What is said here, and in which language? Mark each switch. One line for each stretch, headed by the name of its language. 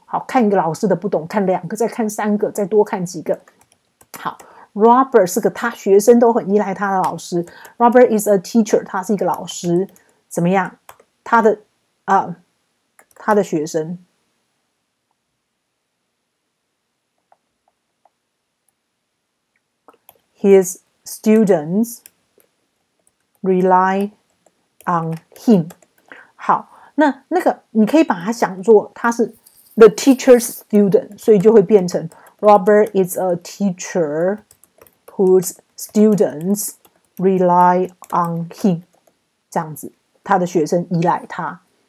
Chinese: 好，看一个老师的不懂，看两个，再看三个，再多看几个。好 ，Robert 是个他学生都很依赖他的老师。
English: Robert is a teacher，
Chinese: 他是一个老师。怎么样？他的学生。
English: His students rely on him。
Chinese: 好。
English: 那个你可以把它想做他是 the teacher's student，
Chinese: 所以就会变成
English: Robert is a teacher whose students rely on him，
Chinese: 这样子他的学生依赖他。